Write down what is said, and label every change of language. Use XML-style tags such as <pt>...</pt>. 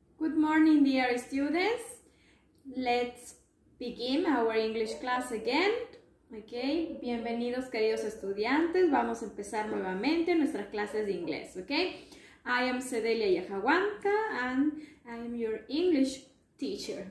<en>Good morning, dear students. Let's begin our English class again.</en> <es>Okay, bienvenidos, queridos estudiantes. Vamos a empezar nuevamente nuestras clases de inglés.</es> <en>Okay, I am Cedelia Yajahuanca and I'm your English teacher.</en>